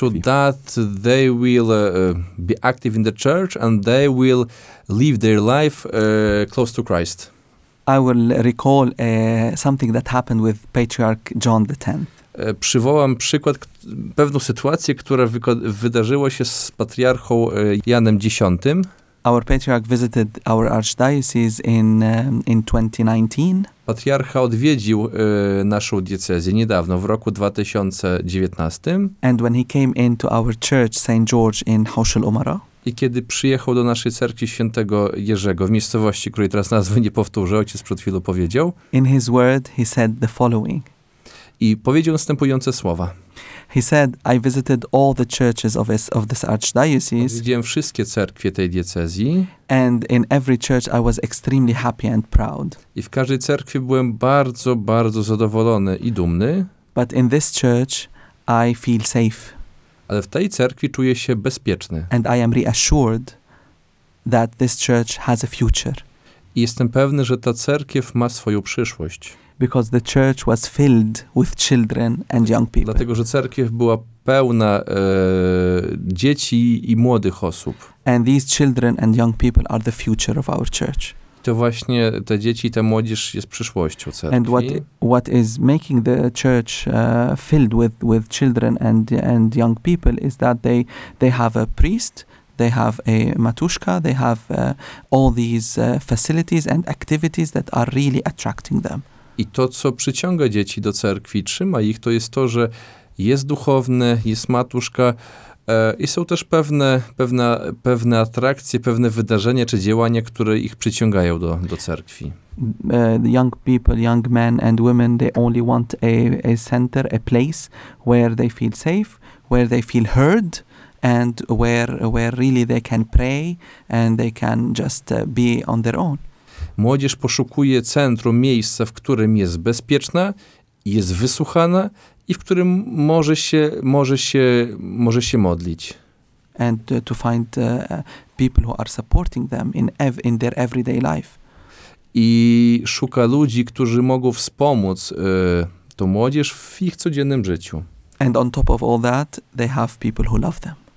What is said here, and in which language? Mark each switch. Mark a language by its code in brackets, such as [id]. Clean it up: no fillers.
[en] So that they will be active in the church and they will live their life close to Christ. I will recall something that happened with Patriarch John the X. [pl] Przywołam przykład, pewną sytuację, która wydarzyła się z patriarchą Janem X. [en] Our patriarch visited our archdiocese in 2019. [pl] Patriarcha odwiedził naszą diecezję niedawno, w roku 2019. [en] And when he came into our church, St. George in Hoshel Umara. [pl] I kiedy przyjechał do naszej cerkwi Świętego Jerzego, w miejscowości, której teraz nazwy nie powtórzę, ojciec przed chwilą powiedział. [en] In his word, he said the following. [pl] I powiedział następujące słowa. [en] He said, I visited all the churches of this archdiocese. [pl] Widziałem wszystkie cerkwie tej diecezji. [en] And in every church I was extremely happy and proud. [pl] I w każdej cerkwi byłem bardzo, bardzo zadowolony i dumny. [en] But in this church I feel safe. [pl] Ale w tej cerkwi czuję się bezpieczny. [en] And I am reassured that this church has a future. [pl] I jestem pewny, że ta cerkiew ma swoją przyszłość. [en] Because the church was filled with children and young people. [pl] Dlatego, że cerkiew była pełna dzieci i młodych osób. [en] And these children and young people are the future of our church. [pl] To właśnie te dzieci i ta młodzież jest przyszłością cerkwi. [en] And what is making the church filled with children and young people is that they have a priest, they have a matushka, they have all these facilities and activities that are really attracting them. [pl] I to, co przyciąga dzieci do cerkwi, trzyma ich, to jest to, że jest duchowny, jest matuszka i są też pewne atrakcje, pewne wydarzenia czy działania, które ich przyciągają do cerkwi. [en] Young people, young men and women, they only want a center, a place where they feel safe, where they feel heard and where really they can pray and they can just be on their own. [pl] Młodzież poszukuje centrum, miejsca, w którym jest bezpieczna, jest wysłuchana i w którym może się modlić. [en] And to find people who are supporting them in their everyday life. [pl] I szuka ludzi, którzy mogą wspomóc tą młodzież w ich codziennym życiu. [en] And on top of all that, they have people who love them.